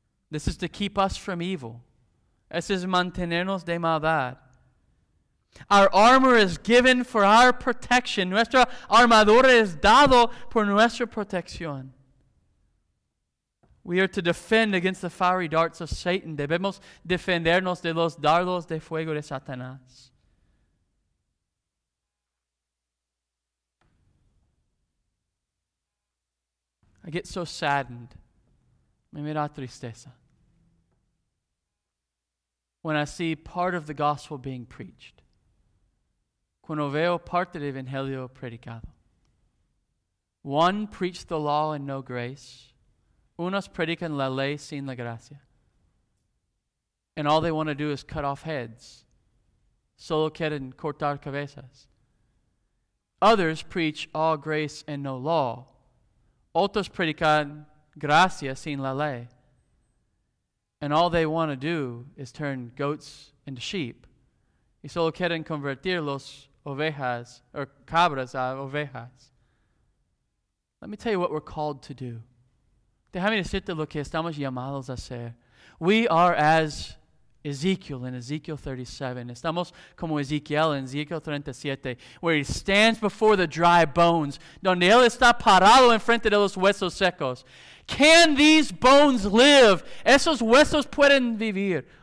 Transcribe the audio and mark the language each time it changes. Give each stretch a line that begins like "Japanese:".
English: This is to keep us from evil. This is
Spanish: mantenernos de maldad.
English: Our armor is given for our protection.
Spanish: Nuestra armadura es dado por nuestra protección.
English: We are to defend against the fiery darts of Satan.
Spanish: Debemos defendernos de los dardos de fuego de Satanás.
English: I get so saddened.
Spanish: Me da tristeza.
English: When I see part of the gospel being preached.
Spanish: Cuando veo parte del evangelio predicado.
English: One preached the law and no grace.
Spanish: Unos predican la ley sin la gracia.
English: And all they want to do is cut off heads.
Spanish: Solo quieren cortar cabezas.
English: Others preach all grace and no law.
Spanish: Otros predican gracia sin la ley.
English: And all they want to do is turn goats into sheep.
Spanish: Y solo quieren convertir los ovejas, or cabras, a ovejas.
English: Let me tell you what we're called to do.
Spanish: Déjame decirte lo que estamos llamados a hacer.
English: We are as Ezekiel in Ezekiel 37.
Spanish: Estamos como Ezekiel in Ezekiel 37,
English: where he stands before the dry bones,
Spanish: donde él está parado enfrente de los huesos secos.
English: Can these bones live?
Spanish: Esos huesos pueden vivir.